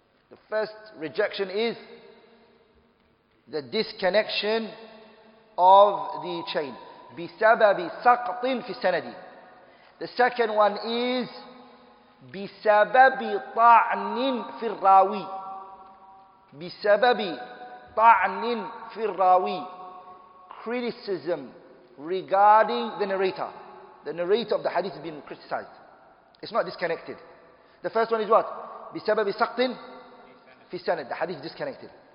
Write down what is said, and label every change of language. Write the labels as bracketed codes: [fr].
[en] The first rejection is the disconnection of the chain. [ar] بسبب سقط في السند. [en] The second one is [ar] بسبب طعن في الراوي. بسبب طعن في الراوي. [en] Criticism regarding the narrator. The narrator of the hadith has been criticized. It's not disconnected. The first one is what? [ar] بسبب سقط في السند. [en] The hadith is disconnected.